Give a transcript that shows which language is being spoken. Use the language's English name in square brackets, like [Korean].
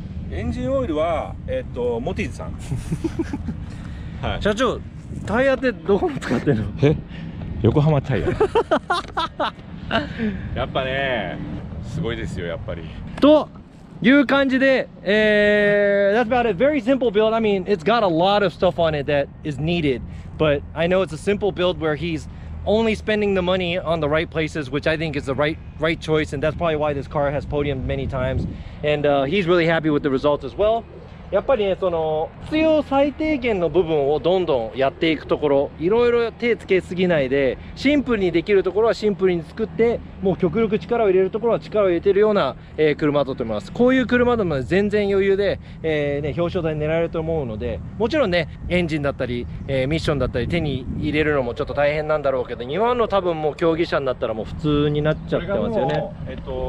[Japanese] エンジンオイルはモティーズさん、はい、社長タイヤってどこの使ってんの？え、横浜タイヤやっぱねすごいですよ、やっぱりという感じで、 [English] That's about it. Very simple build. I mean, it's got a lot of stuff on it that is needed, but I know it's a simple build where he's only spending the money on the right places, which I think is the right choice, and that's probably why this car has podiumed many times, and he's really happy with the results as well. [Japanese] やっぱりね、その必要最低限の部分をどんどんやっていくところ、いろいろ手つけすぎないで、シンプルにできるところはシンプルに作って、もう極力力を入れるところは力を入れているような、車だと思います。こういう車でも全然余裕で、ね、表彰台狙えると思うので、もちろんねエンジンだったり、ミッションだったり手に入れるのもちょっと大変なんだろうけど、日本の多分もう競技車になったらもう普通になっちゃってますよね。